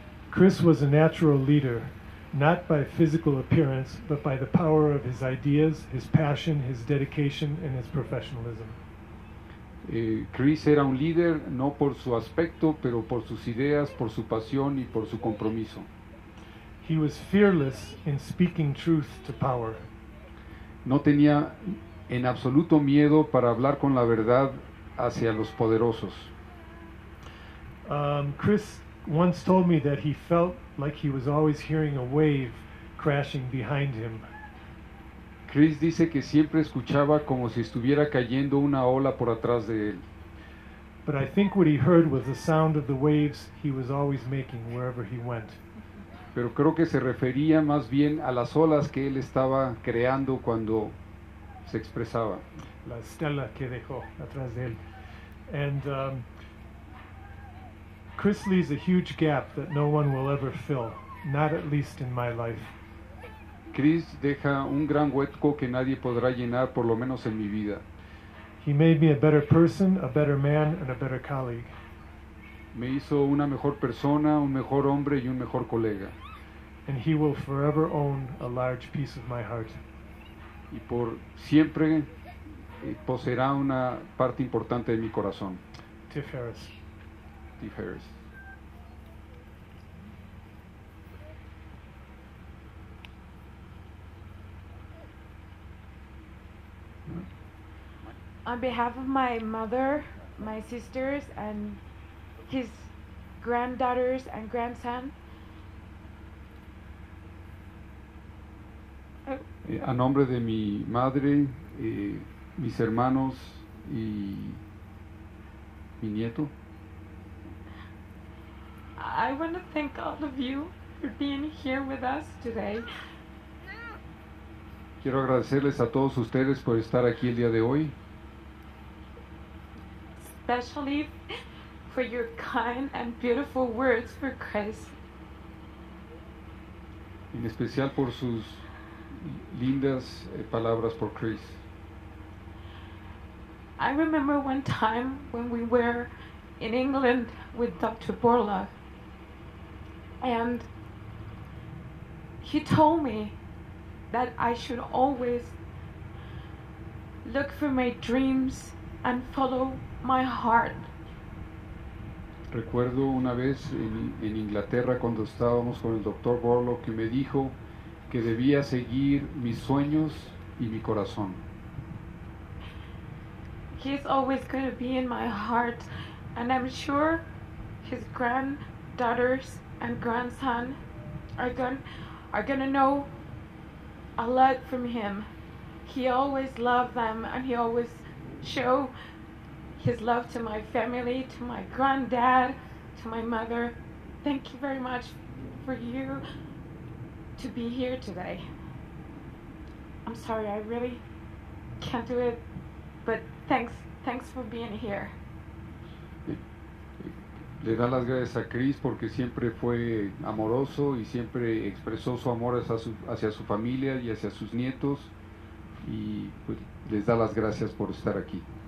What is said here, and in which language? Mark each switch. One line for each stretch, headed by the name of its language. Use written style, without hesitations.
English: Chris was a natural leader, not by physical appearance, but by the power of his ideas, his passion, his dedication, and his professionalism.
Spanish: Chris era un líder no por su aspecto, pero por sus ideas, por su pasión y por su compromiso.
English: He was fearless in speaking truth to power.
Spanish: No tenía en absoluto miedo para hablar con la verdad hacia los poderosos.
English: Chris once told me that he felt like he was always hearing a wave crashing behind him.
Spanish: Chris dice que siempre escuchaba como si estuviera cayendo una ola por atrás de él.
English: But I think what he heard was the sound of the waves he was always making wherever he went.
Spanish: Pero creo que se refería más bien a las olas que él estaba creando cuando se expresaba. La estela que dejó atrás de él.
English: And Chris leaves a huge gap that no one will ever fill, not at least in my life.
Spanish: Chris deja un gran hueco que nadie podrá llenar, por lo menos en mi vida.
English: He made me a better person, a better man, and a better colleague.
Spanish: Me hizo una mejor persona, un mejor hombre y un mejor colega.
English: And he will forever own a large piece of my heart.
Spanish: Y por siempre poseerá una parte importante de mi corazón.
English: Tiff Harris.
Spanish: Tiff Harris.
English: On behalf of my mother, my sisters, and his granddaughters and grandson.
Spanish: A nombre de mi madre, mis hermanos y mi nieto.
English: I want to thank all of you for being here with us today.
Spanish: Quiero agradecerles a todos ustedes por estar aquí el día de hoy.
English: Especially for your kind and beautiful words for Chris.
Spanish: En especial por sus lindas palabras por Chris.
English: I remember one time when we were in England with Dr. Borla, and he told me that I should always look for my dreams and follow my heart.
Spanish: Recuerdo una vez en Inglaterra cuando estábamos con el Dr. Borlo que me dijo que debía seguir mis sueños y mi corazón.
English: He's always going to be in my heart, and I'm sure his granddaughters and grandson are going to know a lot from him. He always loved them, and he always show his love to my family, to my granddad, to my mother. Thank you very much for you, to be here today. I'm sorry, I really can't do it, but thanks for being here.
Spanish: Le da las gracias a Chris porque siempre fue amoroso y siempre expresó su amor hacia su familia y hacia sus nietos, y pues les da las gracias por estar aquí.